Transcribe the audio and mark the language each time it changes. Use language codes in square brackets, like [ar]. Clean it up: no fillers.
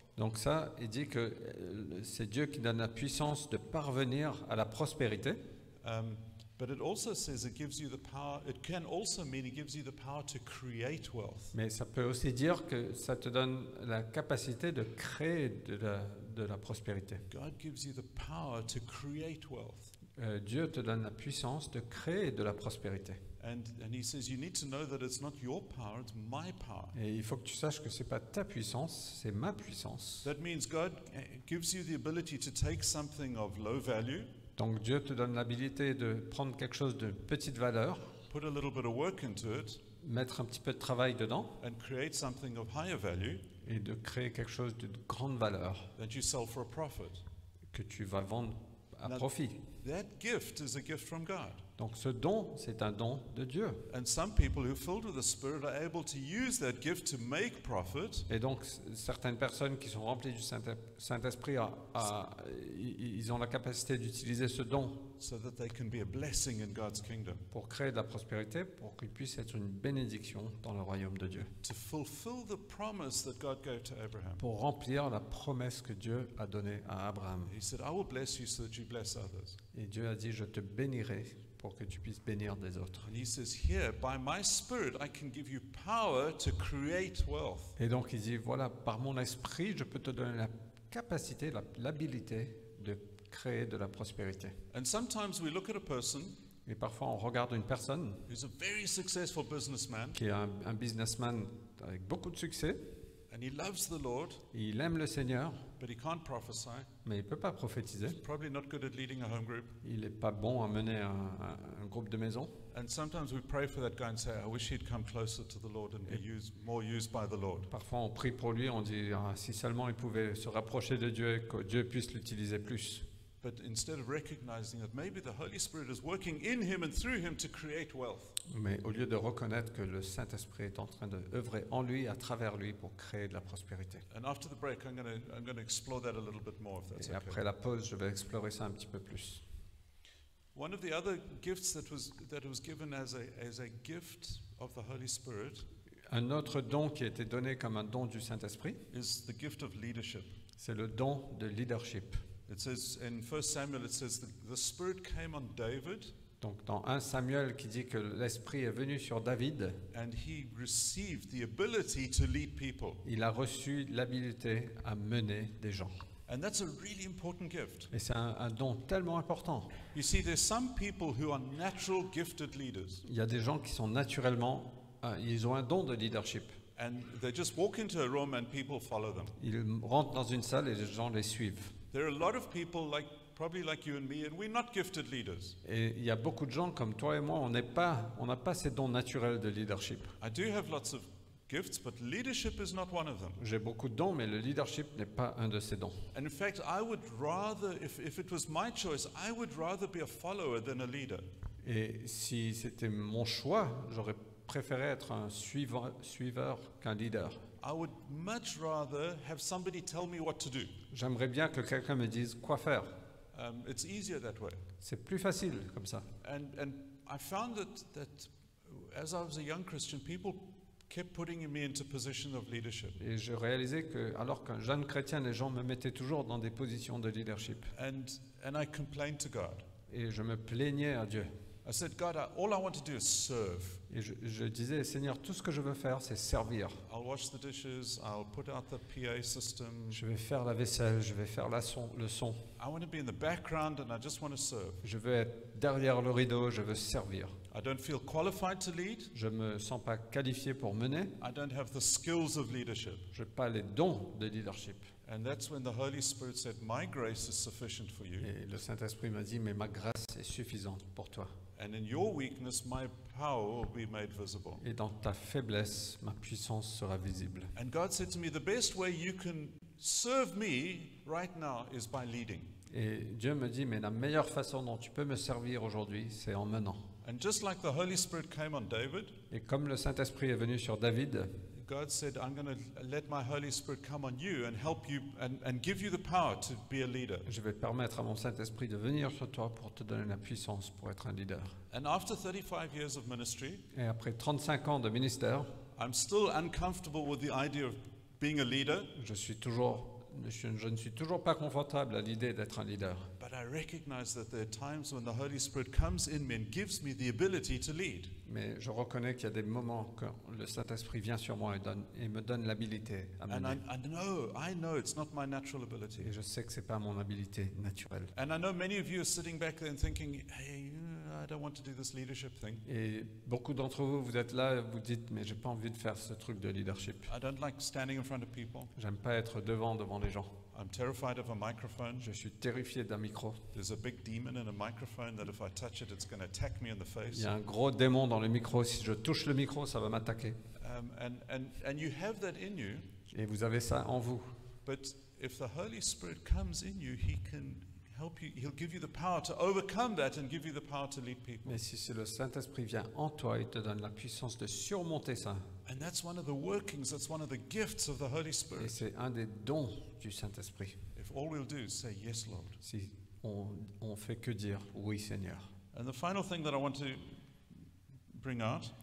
[fr] Donc ça, il dit que c'est Dieu qui donne la puissance de parvenir à la prospérité. [en] But it also says it gives you the power, it can also mean it gives you the power to create wealth. [fr] Mais ça peut aussi dire que ça te donne la capacité de créer de la prospérité. [en] God gives you the power to create wealth. [fr] Dieu te donne la puissance de créer de la prospérité. [en] And he says you need to know that it's not your power, it's my power. [fr] Et il faut que tu saches que c'est pas ta puissance, c'est ma puissance. [en] That means God gives you the ability to take something of low value. [fr] Donc Dieu te donne l'habilité de prendre quelque chose de petite valeur. [en] Put a little bit of work into it. [fr] Mettre un petit peu de travail dedans. [en] And create something of higher value. [fr] Et de créer quelque chose de grande valeur. [en] That you sell for a profit. [fr] Que tu vas vendre à [en] Now, [fr] profit. [en] That gift is a gift from God. [fr] Donc ce don, c'est un don de Dieu. [en] And some people who are filled with the Spirit are able to use that gift to make profit. [fr] Et donc certaines personnes qui sont remplies du Saint-Esprit ils ont la capacité d'utiliser ce don. [en] So that they can be a blessing in God's kingdom. [fr] Pour créer de la prospérité, pour qu'ils puissent être une bénédiction dans le royaume de Dieu. [en] To fulfill the promise that God gave to Abraham. [fr] Pour remplir la promesse que Dieu a donnée à Abraham. [en] He said, "I will bless you so that you bless others." [fr] Et Dieu a dit, je te bénirai pour que tu puisses bénir des autres. [en] And he says, "Here, by my Spirit, I can give you power to create wealth." [fr] Et donc il dit, voilà, par mon esprit, je peux te donner la capacité, l'habilité de créer de la prospérité. [en] And sometimes we look at a person. [fr] Et parfois on regarde une personne. [en] Who's a very successful businessman. [fr] Qui est un businessman avec beaucoup de succès. [en] And he loves the Lord. [fr] Il aime le Seigneur. [en] But he can't prophesy. [fr] Mais il peut pas prophétiser. [en] He's probably not good at leading a home group. [fr] Il est pas bon à mener un groupe de maison. [en] And sometimes we pray for that guy and say, "I wish he'd come closer to the Lord and be more used by the Lord." [fr] Parfois on prie pour lui, on dit, ah, si seulement il pouvait se rapprocher de Dieu, que Dieu puisse l'utiliser plus. [en] But instead of recognizing that maybe the Holy Spirit is working in him and through him to create wealth. [fr] Mais au lieu de reconnaître que le Saint-Esprit est en train de œuvrer en lui, à travers lui, pour créer de la prospérité. [en] And after the break, I'm going to explore that a little bit more, if that's okay. [fr] Et après la pause, je vais explorer ça un petit peu plus. [en] One of the other gifts that was given as a gift of the Holy Spirit. [fr] Un autre don qui a été donné comme un don du Saint-Esprit. [en] Is the gift of leadership. [fr] C'est le don de leadership. [en] It says in 1 Samuel, it says the Spirit came on David. [fr] Donc dans 1 Samuel qui dit que l'Esprit est venu sur David. [en] And he received the ability to lead people. [fr] Il a reçu l'habilité à mener des gens. [en] And that's a really important gift. [fr] Et c'est un don tellement important. [en] You see, there's some people who are natural gifted leaders. [fr] Il y a des gens qui sont naturellement, ils ont un don de leadership. [en] And they just walk into a room and people follow them. [fr] Ils rentrent dans une salle et les gens les suivent. [en] There are a lot of people like probably like you and me, and we're not gifted leaders. [fr] Et il y a beaucoup de gens comme toi et moi, on n'a pas ces dons naturels de leadership. [en] I do have lots of gifts, but leadership is not one of them. [fr] J'ai beaucoup de dons, mais le leadership n'est pas un de ces dons. [en] And in fact, I would rather, if it was my choice, I would rather be a follower than a leader. [fr] Et si c'était mon choix, j'aurais préféré être un suiveur qu'un leader. [en] I would much rather have somebody tell me what to do. [fr] J'aimerais bien que quelqu'un me dise quoi faire. [en] It's easier that way. [fr] C'est plus facile comme ça. [en] And I found that as I was a young Christian, people kept putting me into positions of leadership. [fr] Et je réalisais que alors qu'un jeune chrétien, les gens me mettaient toujours dans des positions de leadership. [en] And I complained to God. [fr] Et je me plaignais à Dieu. [en] I said, God, all I want to do is serve. [fr] Et je disais, Seigneur, tout ce que je veux faire, c'est servir. [en] I'll wash the dishes, I'll put out the PA system. [fr] Je vais faire la vaisselle, je vais faire le son. [en] I want to be in the background and I just want to serve. [fr] Je veux être derrière le rideau, je veux servir. [en] I don't feel qualified to lead. [fr] Je me sens pas qualifié pour mener. [en] I don't have the skills of leadership. [fr] J'ai pas les dons de leadership. [en] And that's when the Holy Spirit said, my grace is sufficient for you. [fr] Et le Saint-Esprit m'a dit, mais ma grâce est suffisante pour toi. [en] And in your weakness, my power will be made visible. [fr] Et dans ta faiblesse, ma puissance sera visible. [en] And God said to me, the best way you can serve me right now is by leading. [fr] Et Dieu me dit, mais la meilleure façon dont tu peux me servir aujourd'hui, c'est en menant. [en] And just like the Holy Spirit came on David, [fr] et comme le Saint-Esprit est venu sur David, [en] God said, I'm going to let my Holy Spirit come on you and help you and give you the power to be a leader. [fr] Je vais permettre à mon Saint-Esprit de venir sur toi pour te donner la puissance pour être un leader. [en] And after 35 years of ministry, [fr] et après 35 ans de ministère, [en] I'm still uncomfortable with the idea of being a leader. [fr] Je ne suis toujours pas confortable à l'idée d'être un leader. [en] But I recognize that there are times when the Holy Spirit comes in me and gives me the ability to lead. [fr] Mais je reconnais qu'il y a des moments quand le Saint-Esprit vient sur moi et me donne l'habilité à mener. [en] I know it's not my natural ability. [fr] Et je sais que c'est pas mon habileté naturelle. [en] And I know many of you are sitting back there and thinking, hey, I don't want to do this leadership thing. [fr] Et beaucoup d'entre vous, vous êtes là, vous dites, mais j'ai pas envie de faire ce truc de leadership. [en] I don't like standing in front of people. [fr] J'aime pas être devant les gens. [en] I'm terrified of a microphone. [fr] Je suis terrifié d'un micro. [en] There's a big demon in a microphone that if I touch it, it's going to attack me in the face. [fr] Il y a un gros démon dans le micro. Si je touche le micro, ça va m'attaquer. [en] And you have that in you. [fr] Et vous avez ça en vous. [en] But if the Holy Spirit comes in you, he can help you. He'll give you the power to overcome that and give you the power to lead people. [fr] Mais si le Saint-Esprit vient en toi, il te donne la puissance de surmonter ça. [en] And that's one of the workings, that's one of the gifts of the Holy Spirit. [fr] Et c'est un des dons du Saint-Esprit. [en] If all we'll do is say yes, Lord. [fr] Si on fait que dire oui, Seigneur. [en] And the final thing that I want to bring out.